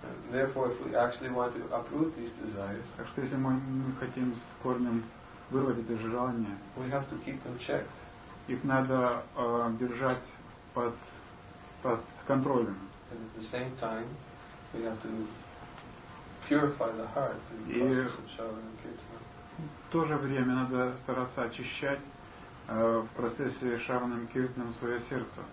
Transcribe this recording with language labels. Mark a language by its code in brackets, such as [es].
[en] Therefore, if we actually want to uproot these desires, [ru] так что если мы хотим с корнем вырвать это желание, [en] we have to keep them checked. [ru] Их надо держать под контролем. [en] And at the same time, we have to purify the heart in the process of Shravana and Kirtana. [ru] В то же время надо стараться очищать в процессе Шравана и Киртана свое сердце.